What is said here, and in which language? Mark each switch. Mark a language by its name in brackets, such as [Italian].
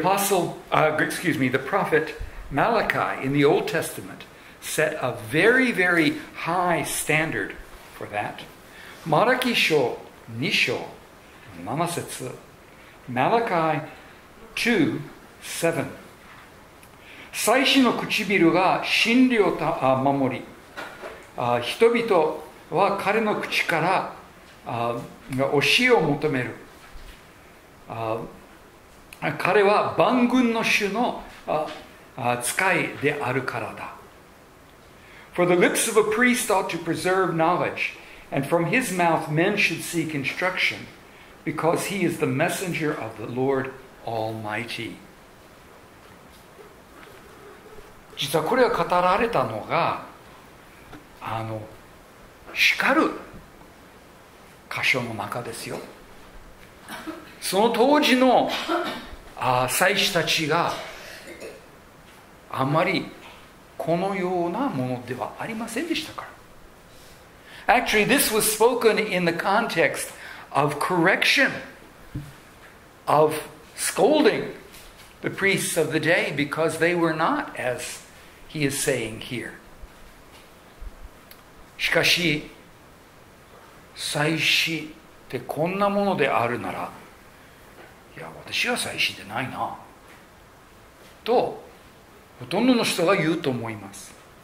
[English] The prophet Malachi in the Old Testament set a very, very high standard for that. [Japanese] マラキ書2章7節 Malachi 2:7 祭司の唇が真理を守り、人々は彼の口から教えを求める。彼は万軍の主の使いであるからだ。 [English] For the lips of a priest ought to preserve knowledge, and from his mouth men should seek instruction, because he is the messenger of the Lord Almighty. [Japanese] 実はこれが語られたのが、叱る。箇所の中ですよ。その当時の祭司たちがあまりこのようなものではありませんでしたから。 [English] Actually, this was spoken in the context of correction, of scolding the priests of the day because they were not, as he is saying here. [Japanese] しかし、祭司ってこんなものであるなら、いや私は祭司でないなとほとんどの人が言うと思います。